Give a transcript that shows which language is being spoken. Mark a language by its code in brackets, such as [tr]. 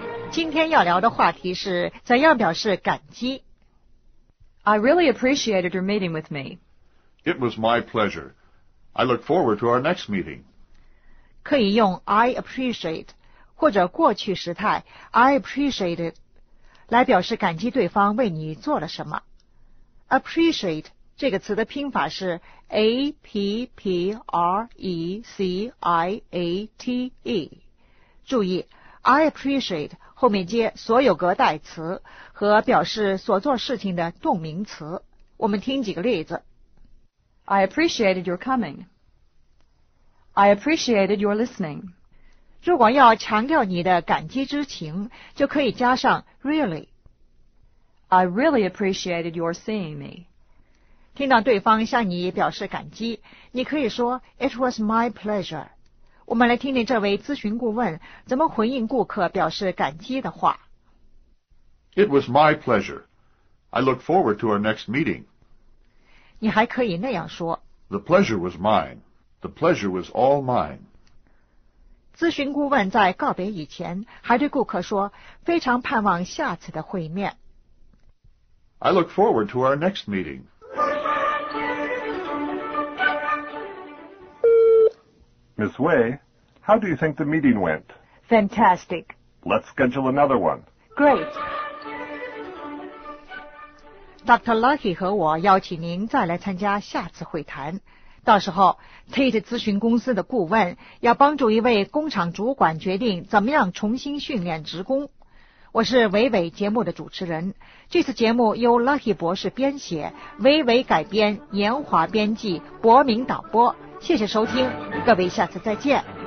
[zh] 今天要聊的话题是怎样表示感激。 [en] I really appreciated your meeting with me. It was my pleasure. I look forward to our next meeting. [zh] 可以用 [en] I appreciate [zh] 或者过去时态 [en] I appreciated [zh] 来表示感激对方为你做了什么。 Appreciate这个词的拼法是 appreciate。注意 [en] I appreciate [zh] 后面接所有格代词和表示所做事情的动名词。我们听几个例子。 [en] I appreciated your coming. I appreciated your listening. [zh] 如果要强调你的感激之情，就可以加上 really. [en] I really appreciated your seeing me. [zh] 听到对方向你表示感激，你可以说 [en] It was my pleasure. [zh] 我们来听听这位咨询顾问怎么回应顾客表示感激的话。 [en] It was my pleasure. I look forward to our next meeting. [zh] 你还可以那样说 [en] The pleasure was mine. The pleasure was all mine. [zh] 咨询顾问在告别以前还对顾客说非常盼望下次的会面。 [en] I look forward to our next meeting. Miss Wei, how do you think the meeting went? Fantastic. Let's schedule another one. Great. Dr. [zh] Lucky 和我邀请您再来参加下次会谈。到时候 Tate 咨询公司的顾问要帮助一位工厂主管决定怎么样重新训练职工。我是伟伟节目的主持人。这次节目由 Lucky 博士编写，伟伟改编，严华编辑，博明导播。谢谢收听，各位下次再见。